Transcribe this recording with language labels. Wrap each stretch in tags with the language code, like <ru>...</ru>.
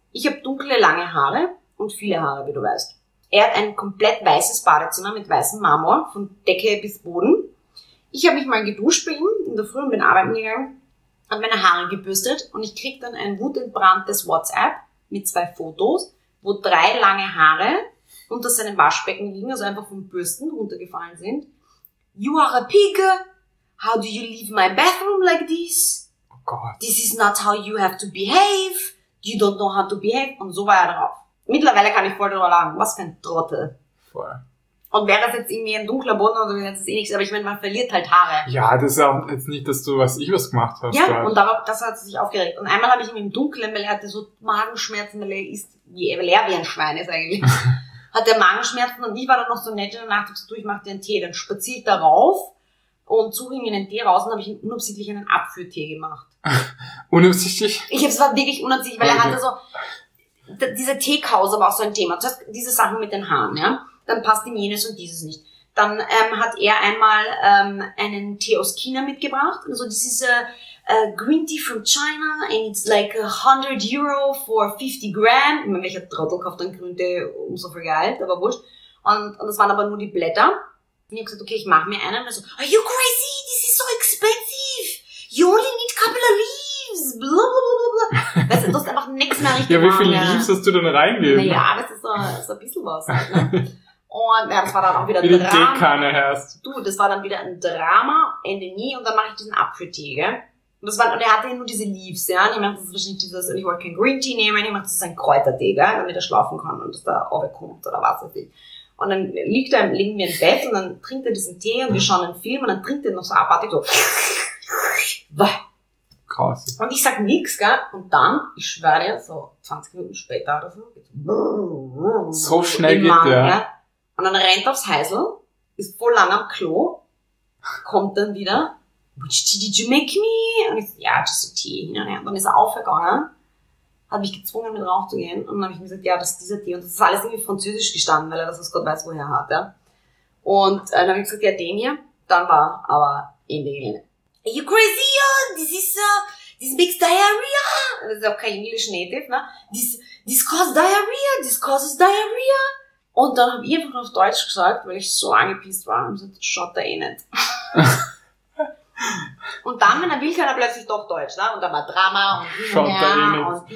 <de>Ich habe dunkle, lange Haare und viele Haare, wie du weißt. Er hat ein komplett weißes Badezimmer mit weißem Marmor, von Decke bis Boden. Ich habe mich mal geduscht bei ihm in der Früh und bin arbeiten gegangen, habe meine Haare gebürstet, und ich kriege dann ein wutentbranntes WhatsApp mit 2 Fotos, wo 3 lange Haare unter seinem Waschbecken liegen, also einfach vom Bürsten runtergefallen sind.</de> <en>You are a pig! How do you leave my bathroom like this?</en> <de>Oh Gott.</de> <en>This is not how you have to behave. You don't know how to behave.</en> <de>Und so war er drauf. Mittlerweile kann ich voll drüber lachen. Was für ein Trottel. Voll. Und wäre das jetzt irgendwie ein dunkler Boden oder so, jetzt ist eh nichts. Aber ich meine, man verliert halt Haare. Ja, das ist ja auch jetzt nicht, dass du, was ich was gemacht habe. Ja, grad. Und darauf, das hat sich aufgeregt. Und einmal habe ich ihn im Dunkeln, weil er hatte so Magenschmerzen, weil er wie ein Schwein ist eigentlich. Hat er Magenschmerzen, und ich war dann noch so nett in der Nacht, so, du, ich mache dir einen Tee, dann spaziert er rauf und suche ihm einen Tee raus, und habe ich ihm unabsichtlich einen Apfeltee gemacht. Unabsichtlich? Es war wirklich unabsichtlich, weil okay. Er hatte so, diese Teekause war auch so ein Thema. Zuerst diese Sachen mit den Haaren, ja. Dann passt ihm jenes und dieses nicht. Dann hat er einmal einen Tee aus China mitgebracht. Also das ist</de> <en>Green Tea from China, and it's like 100 Euro for 50 Gramm.</en> <de>Ich meine, welcher Trottel kauft dann grünen Tee, umso viel Geld, aber wurscht. Und das waren aber nur die Blätter. Und ich hab gesagt, okay, ich mach mir einen. Und er so,</de> <en>are you crazy? This is so expensive. You only need a couple of leaves. Blablabla.</en> <de>Weißt du, du hast einfach nichts mehr richtig. Ja, wie viele Leaves hast du denn reingegeben? Naja, aber das ist ein bisschen was. Halt, ne? Und ja, das war dann auch wieder ein Drama. Wie die Dekane hast. Du, das war dann wieder ein Drama. Ende nie. Und dann mache ich diesen Apfeltee, gell? Und er hatte ja nur diese Leaves, ja? Und ich mach das wahrscheinlich dieses, und ich wollte kein Green Tea nehmen. Ich mach das ein Kräutertee, gell? Damit er schlafen kann und dass da runterkommt oder was weiß ich. Und dann liegt er neben mir im Bett, und dann trinkt er diesen Tee, und wir schauen einen Film, und dann trinkt er noch so abartig so. Krass. Und ich sag nichts, gell? Und dann, ich schwöre dir, so 20 Minuten später oder so, geht so schnell geht Mann, der. Gell? Und dann rennt er aufs Heisel, ist voll lang am Klo, kommt dann wieder,</de> <en>which tea did you make me?</en> <de>Und ich so, ja,</de> <en>just a tea.</en> <de>Und dann ist er aufgegangen, hat mich gezwungen, mit rauf zu gehen, und dann habe ich mir gesagt, ja, das ist dieser Tee, und das ist alles irgendwie französisch gestanden, weil er das, was Gott weiß, woher hat, ja. Und dann habe ich gesagt, ja, den hier, dann war aber in der Gelände.</de> <en>Are you crazy, this makes diarrhea?</en> <de>Das ist auch kein Englisch Native, ne?</de> <en>This causes diarrhea.</en> <de>Und dann habe ich einfach auf Deutsch gesagt, weil ich so angepisst war, und gesagt, schaut da eh nicht. Und dann, wenn er will, kann er plötzlich doch Deutsch, ne? Und dann war Drama und hin und her.</de>